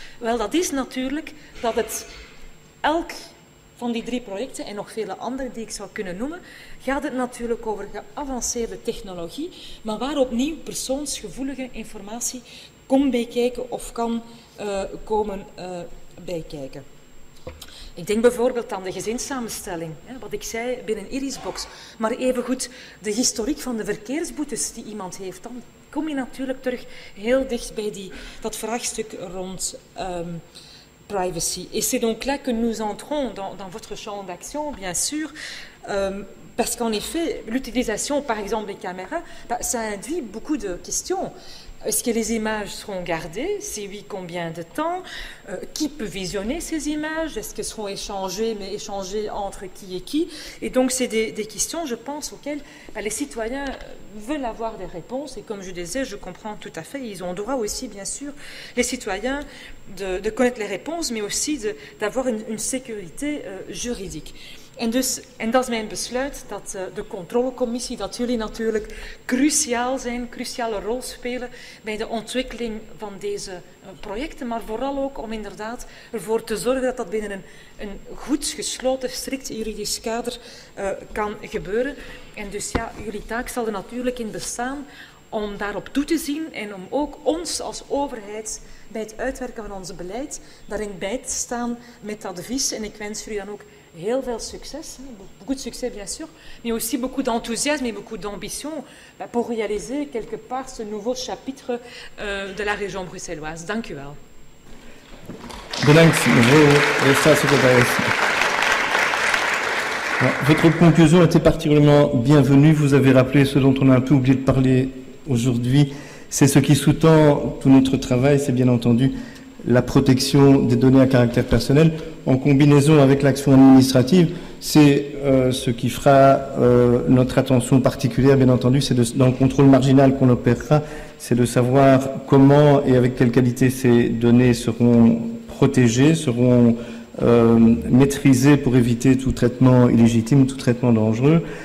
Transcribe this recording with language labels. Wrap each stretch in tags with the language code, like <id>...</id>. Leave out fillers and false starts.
<nl>Wel, dat is natuurlijk dat het elk van die drie projecten, en nog vele andere die ik zou kunnen noemen, gaat het natuurlijk over geavanceerde technologie, maar waar opnieuw persoonsgevoelige informatie kon bijkijken of kan komen bijkijken. Ik denk bijvoorbeeld aan de gezinssamenstelling, hè, wat ik zei binnen Irisbox. Maar evengoed de historiek van de verkeersboetes die iemand heeft, dan kom je natuurlijk terug heel dicht bij dat vraagstuk rond privacy.</nl> <fr>Et c'est donc là que nous entrons dans votre champ d'action, bien sûr. Parce qu'en effet, l'utilisation, par exemple, des caméras, bah, ça induit beaucoup de questions. Est-ce que les images seront gardées? Si oui, combien de temps? Qui peut visionner ces images? Est-ce qu'elles seront échangées, mais échangées entre qui et qui? Et donc, c'est des questions, je pense, auxquelles bah, les citoyens veulent avoir des réponses. Et comme je disais, je comprends tout à fait. Ils ont droit aussi, bien sûr, les citoyens, de connaître les réponses, mais aussi d'avoir une sécurité juridique.</fr> <nl>En dat is mijn besluit, dat de controlecommissie, dat jullie natuurlijk cruciaal zijn, cruciale rol spelen bij de ontwikkeling van deze projecten, maar vooral ook om inderdaad ervoor te zorgen dat dat binnen een goed gesloten, strikt juridisch kader kan gebeuren. En dus ja, jullie taak zal er natuurlijk in bestaan om daarop toe te zien en om ook ons als overheid bij het uitwerken van ons beleid daarin bij te staan met advies. En ik wens jullie dan ook heel veel succes,</nl> <fr>beaucoup de succès bien sûr, mais aussi beaucoup d'enthousiasme et beaucoup d'ambition pour réaliser quelque part ce nouveau chapitre de la région bruxelloise.</fr> <nl>Dank u wel. Bedankt, mevrouw de staatssecretaris.</nl> <fr>Votre conclusion était particulièrement bienvenue. Vous avez rappelé ce dont on a un peu oublié de parler aujourd'hui. C'est ce qui sous-tend tout notre travail, c'est bien entendu la protection des données à caractère personnel. En combinaison avec l'action administrative, c'est ce qui fera notre attention particulière, bien entendu, c'est dans le contrôle marginal qu'on opérera, c'est de savoir comment et avec quelle qualité ces données seront protégées, seront maîtrisées pour éviter tout traitement illégitime, tout traitement dangereux.</fr>